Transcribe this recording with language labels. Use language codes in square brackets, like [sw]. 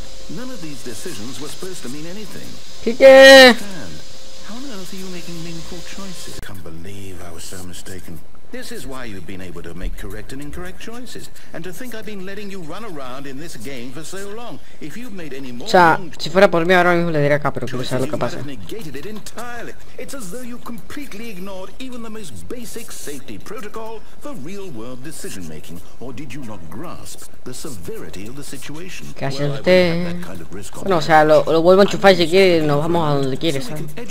[en] None of these decisions were supposed to mean anything. [es] ¿Qué? [en] How on earth are you making meaningful choices? Can't believe I was so mistaken. This is why you've been able to make correct and incorrect choices. And to think I've been letting you run around in this game for so long. If you've made any more... [es] O sea, si fuera por mí ahora mismo le diría acá, pero quiero saber lo que pasa. [en] Negated it entirely. It's as though you completely ignored even the most basic safety protocol for real world decision making. Or did you not grasp the severity of the situation? [es] ¿Qué hace usted? Bueno, o sea, lo vuelvo a enchufar si quiere y nos vamos a donde quiere, ¿sabes?